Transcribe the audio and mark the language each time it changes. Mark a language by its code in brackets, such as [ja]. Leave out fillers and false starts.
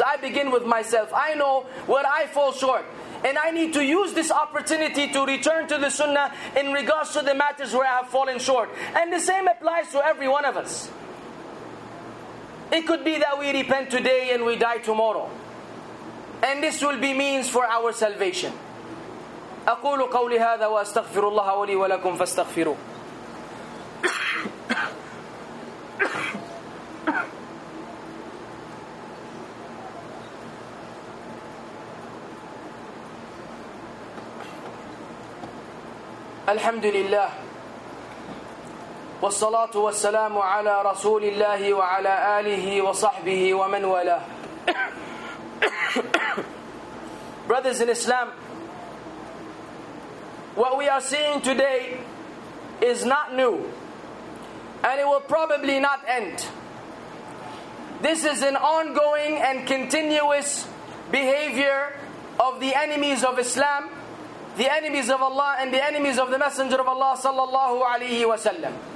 [en] I begin with myself. I know where I fall short. And I need to use this opportunity to return to the sunnah in regards to the matters where I have fallen short. And the same applies to every one of us. It could be that we repent today and we die tomorrow. And this will be means for our salvation. [ar] أقول قولي هذا وأستغفر الله ولي ولكم فاستغفروا. الحمد لله والصلاة والسلام على رسول الله وعلى آله وصحبه ومن والاه. [en] Brothers in Islam, what we are seeing today is not new, and it will probably not end. This is an ongoing and continuous behavior of the enemies of Islam, the enemies of Allah, and the enemies of the Messenger of Allah sallallahu alayhi wa sallam.